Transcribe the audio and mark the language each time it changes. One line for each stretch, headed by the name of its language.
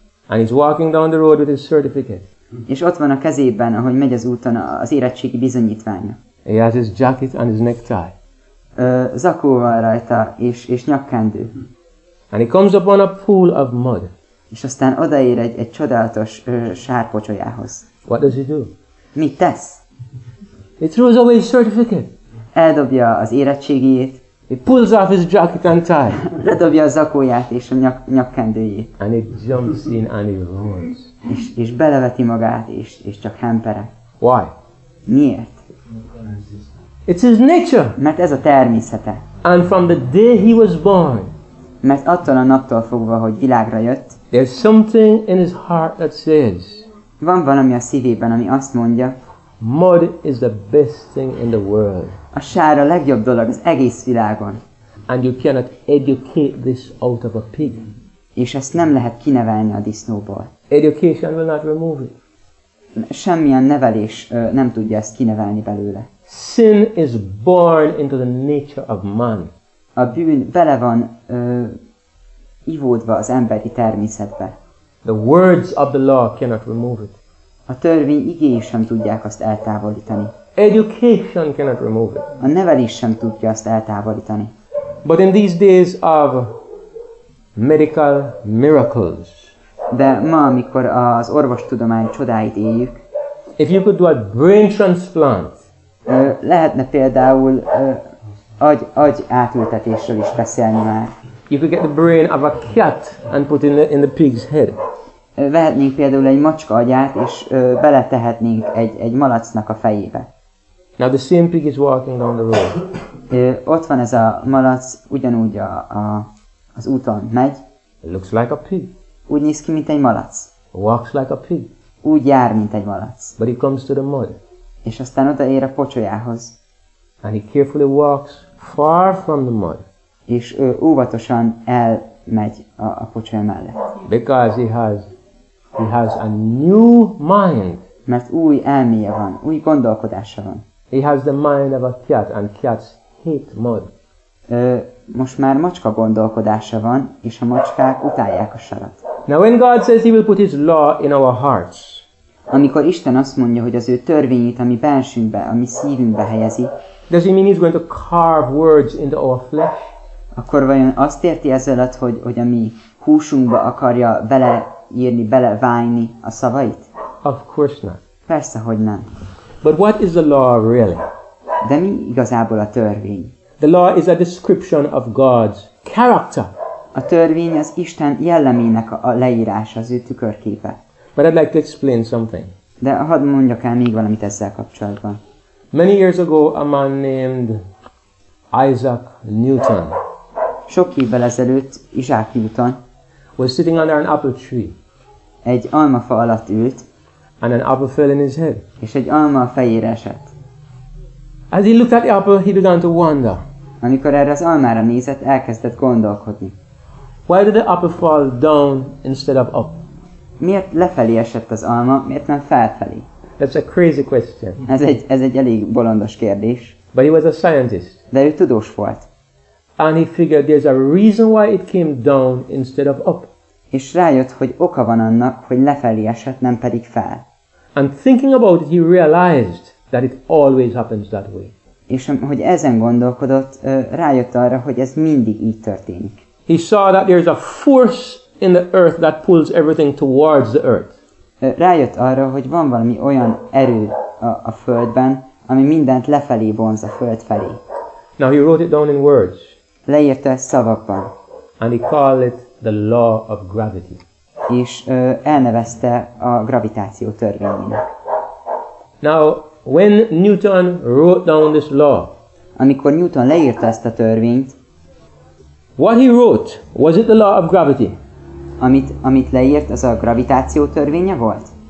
English: And he's walking down the road with his certificate.
Hungarian: És ott van a kezében, ahogy megy az úton az érettségi bizonyítványa.
English: He has his jacket and his necktie.
Hungarian: Zakó van rajta, és nyakkendő.
English: And he comes upon a pool of mud.
Hungarian: És aztán odaér egy csodálatos sárpocsolyához.
English: What does he do?
Hungarian: Mit tesz?
English: He throws away his certificate.
Hungarian: Eldobja az érettségiét.
English: He pulls off his jacket and tie.
Hungarian: Ledobja a zakóját és a nyakkendőjét.
English: And he jumps in and he runs.
Hungarian: És beleveti magát, és csak hemperek.
English: Why?
Hungarian: Miért?
English: It's his nature.
Hungarian: Mert ez a természete.
English: And from the day he was born.
Hungarian: Mert attól a naptól fogva, hogy világra jött.
English: There's something in his heart that says.
Hungarian: Van valami a szívében, ami azt mondja.
English: Mud is the best thing in the world.
Hungarian: A sár a legjobb dolog az egész világon.
English: And you cannot educate this out of a pig.
Hungarian: És ezt nem lehet kinevelni a disznóból.
English: Education will not remove it.
Hungarian: Semmilyen nevelés nem tudja ezt kinevelni belőle.
English: Sin is born into the nature of man.
Hungarian: A bűn bele van ivódva az emberi természetbe.
English: The words of the law cannot remove it.
Hungarian: A törvény igéi sem tudják azt eltávolítani.
English: Education cannot remove it.
Hungarian: A nevelés sem tudja azt eltávolítani.
English: But in these days of medical miracles.
Hungarian: De ma, amikor az orvostudomány csodáit éljük.
English: If you could do a brain transplant.
Hungarian: Lehetne például agy átültetésről is beszélni már.
English: You could get the brain of a cat and put in the pig's head.
Hungarian: Vehetnénk például egy macska agyát, és beletehetnénk egy malacnak a fejébe.
English: Now the same pig is walking down the road.
Hungarian: Ott van ez a malac, ugyanúgy az úton megy.
English: It looks like a pig.
Hungarian: Úgy néz ki, mint egy malac.
English: It walks like a pig.
Hungarian: Úgy jár, mint egy malac.
English: But he comes to the mud.
Hungarian: És aztán odaér a pocsolyához.
English: And he carefully walks far from the mud.
Hungarian: És ő óvatosan elmegy a pocsolya mellett.
English: Because he has a new mind.
Hungarian: Mert új elméje van, új gondolkodása van.
English: He has the mind of a cat, and cats hate mud.
Hungarian: Most már macska gondolkodása van, és a macskák utálják a sarat.
English: Now when God says he will put his law in our hearts.
Hungarian: Amikor Isten azt mondja, hogy az ő törvényét, ami belsünkbe, ami szívünkbe helyezi,
English: does he mean he's going to carve words into our flesh?
Hungarian: Akkor vajon azt érti ezzel, hogy a mi húsunkba akarja beleírni, belevájni a szavait?
English: Of course not.
Hungarian: Persze, hogy nem.
English: But what is the law really?
Hungarian: De mi igazából a törvény?
English: The law is a description of God's character.
Hungarian: A törvény az Isten jellemének a leírása, az ő tükörképe.
English: But I'd like to explain something.
Hungarian: De hadd mondjak el még valamit ezzel kapcsolatban.
English: Many years ago, a man named Isaac Newton.
Hungarian: Sok évvel ezelőtt Isaac Newton
English: was sitting under an apple tree.
Hungarian: Egy almafa alatt ült.
English: And an apple fell in his head.
Hungarian: És egy alma a fejére esett.
English: As he looked at the apple, he began to wonder.
Hungarian: Amikor erre az almára nézett, elkezdett gondolkodni.
English: Why did the apple fall down instead of up?
Hungarian: Miért lefelé esett az alma, miért nem felfelé?
English: That's a crazy question.
Hungarian: Ez egy elég bolondos kérdés.
English: But he was a scientist.
Hungarian: De ő tudós volt.
English: And he figured there's a reason why it came down instead of up.
Hungarian: És rájött, hogy oka van annak, hogy lefelé esett, nem pedig fel.
English: And thinking about it, he realized that it always happens that way.
Hungarian: És hogy ezen gondolkodott, rájött arra, hogy ez mindig így történik.
English: He saw that there's a force in the earth that pulls everything towards the earth.
Hungarian: Rájött arra, hogy van valami olyan erő a földben, ami mindent lefelé vonz a föld felé.
English: Now he wrote it down in words.
Hungarian: Leírta ezt szavakban.
English: And he called it the law of gravity.
Hungarian: És elnevezte a gravitáció törvényének.
English: Now when Newton wrote down this law.
Hungarian: Amikor Newton leírta ezt a törvényt.
English: What he wrote, was it the law of gravity?
Hungarian: Amit leírt, az a gravitáció törvénye volt?